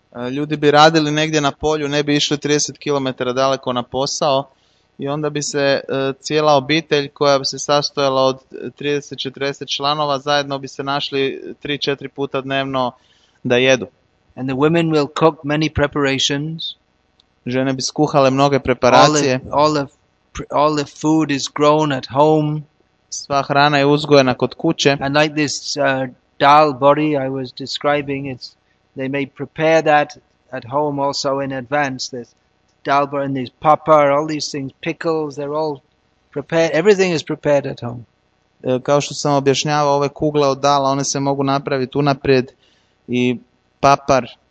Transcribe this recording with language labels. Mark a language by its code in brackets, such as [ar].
[hr] Ljudi bi radili negdje na polju, ne bi išli 30 km daleko na posao i onda bi se cijela obitelj koja bi se sastojala od 30-40 članova zajedno bi se našli 3-4 puta dnevno da jedu. [en] And the women will cook many preparations. [hr] Žene bi skuhale mnoge preparacije. [en] All the food is grown at home. [hr] Sva hrana je uzgojena kod kuće. [en] And like this dal bori I was describing, it's they may prepare that at home also in advance. This dalba and this papa, all these things, pickles, they're all prepared. Everything is prepared at home. [hr] Kao što sam objašnjavao, ove kugle od dala, one se mogu napraviti unaprijed i papadam.